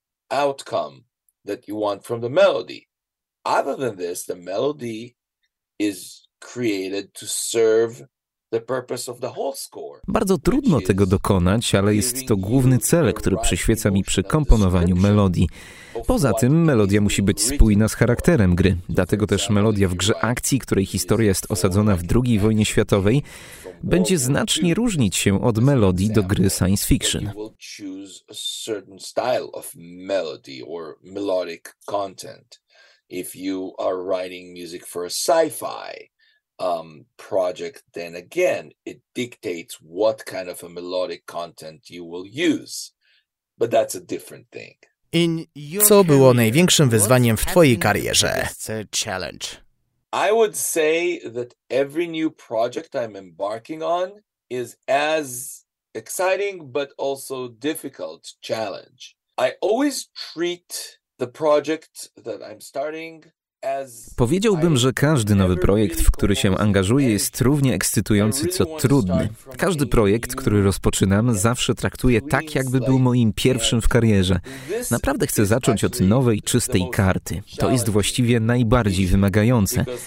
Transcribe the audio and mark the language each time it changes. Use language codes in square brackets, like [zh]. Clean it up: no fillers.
[en] Outcome that you want from the melody. Other than this, the melody is created to serve the purpose of the whole score. [pl] Bardzo trudno tego dokonać, ale jest to główny cel, który przyświeca mi przy komponowaniu melodii. Poza tym, melodia musi być spójna z charakterem gry. Dlatego też melodia w grze akcji, której historia jest osadzona w II wojnie światowej, będzie znacznie różnić się od melodii do gry science fiction. [en] You will choose a certain style of melody or melodic content. If you are writing music for a sci-fi project, then again, it dictates what kind of a melodic content you will use. But that's a different thing. [pl] Co było największym wyzwaniem w twojej karierze? [en] Challenge. I would say that every new project I'm embarking on is as exciting but also difficult challenge. I always treat the project that I'm starting as. [pl] Powiedziałbym, że każdy nowy projekt, w który się angażuję, jest równie ekscytujący co trudny. Każdy projekt, który rozpoczynam, zawsze traktuję tak, jakby był moim pierwszym w karierze. Naprawdę chcę zacząć od nowej, czystej karty. To jest właściwie najbardziej wymagające.